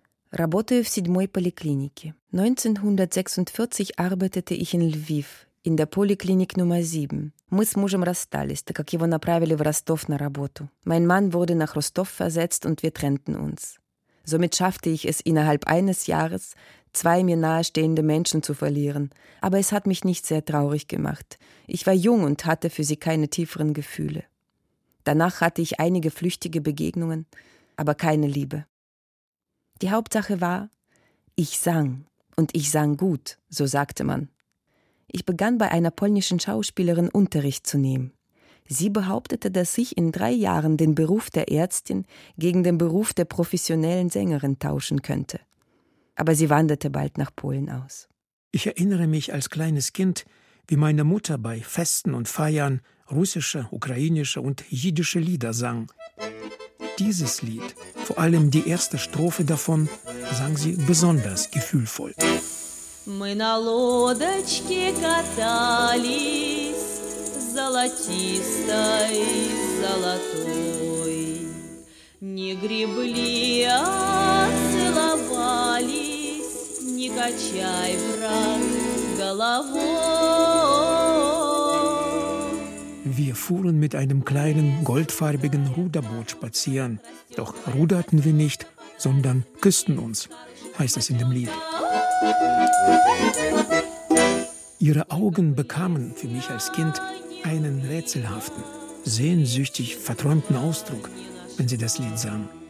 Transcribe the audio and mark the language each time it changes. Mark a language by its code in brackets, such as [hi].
[ru] Работаю в 7-й поликлинике. [de] 1946 arbeitete ich in Lviv, in der Poliklinik Nummer 7. [ru] Мы с мужем расстались, так как его направили в Ростов на работу. [de] Mein Mann wurde nach Rostov versetzt und wir trennten uns. Somit schaffte ich es innerhalb eines Jahres, zwei mir nahestehende Menschen zu verlieren. Aber es hat mich nicht sehr traurig gemacht. Ich war jung und hatte für sie keine tieferen Gefühle. Danach hatte ich einige flüchtige Begegnungen, aber keine Liebe. Die Hauptsache war, ich sang. Und ich sang gut, so sagte man. Ich begann bei einer polnischen Schauspielerin Unterricht zu nehmen. Sie behauptete, dass ich in 3 Jahren den Beruf der Ärztin gegen den Beruf der professionellen Sängerin tauschen könnte. Aber sie wanderte bald nach Polen aus. Ich erinnere mich als kleines Kind, wie meine Mutter bei Festen und Feiern russische, ukrainische und jiddische Lieder sang. Dieses Lied, vor allem die erste Strophe davon, sang sie besonders gefühlvoll. [ru] Мы на лодочке катались, золотистой, золотой. Не гребли, а целовались, не качай, брат, головой. [de] Wir fuhren mit einem kleinen, goldfarbigen Ruderboot spazieren. Doch ruderten wir nicht, sondern küssten uns, heißt es in dem Lied. Ihre Augen bekamen für mich als Kind einen rätselhaften, sehnsüchtig verträumten Ausdruck, wenn sie das Lied sang.